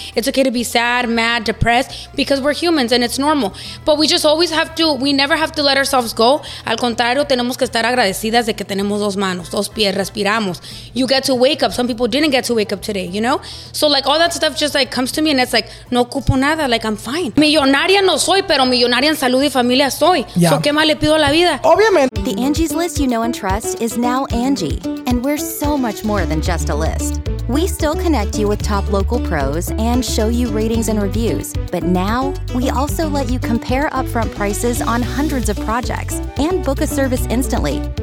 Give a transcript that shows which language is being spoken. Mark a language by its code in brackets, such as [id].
[en] It's okay to be sad, mad, depressed, because we're humans, and it's normal. But we just always have to, we never have to let ourselves go. [es] Al contrario, tenemos que estar agradecidas de que tenemos dos manos, dos pies, respiramos. [en] You get to wake up. Some people didn't get to wake up today, you know? So like all that stuff just like comes to me and it's like, [es] no ocupo nada, [en] like I'm fine. [es] Millonaria no soy, pero millonaria en salud y familia soy. Yeah. So qué más le pido a la vida? Obviamente. [en] The Angie's List you know and trust is now Angie, and we're so much more than just a list. We still connect you with top local pros and show you ratings and reviews, but now we also let you compare upfront prices on hundreds of projects and book a service instantly.